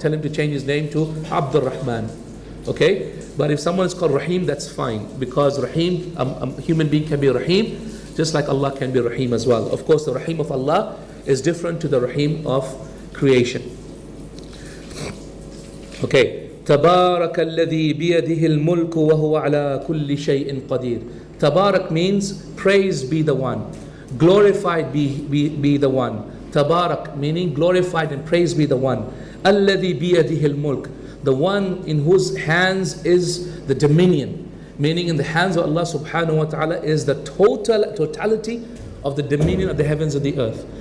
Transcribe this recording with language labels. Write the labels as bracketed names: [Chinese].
[English] Tell him to change his name to Abdul Rahman. Okay? But if someone is called Rahim, that's fine. Because Rahim, a human being can be Rahim, just like Allah can be Rahim as well. Of course, the Rahim of Allah is different to the Rahim of creation. Okay. [Arabic] تبارك الذي بيده الملك وهو على كل شيء قدير. [English] Tabarak means praise be the one. Glorified be the one. Tabarak meaning glorified and praise be the one. [Arabic] Alladhi biyadihil mulk, [English] the one in whose hands is the dominion. Meaning in the hands of Allah subhanahu wa ta'ala is the totality of the dominion of the heavens and the earth.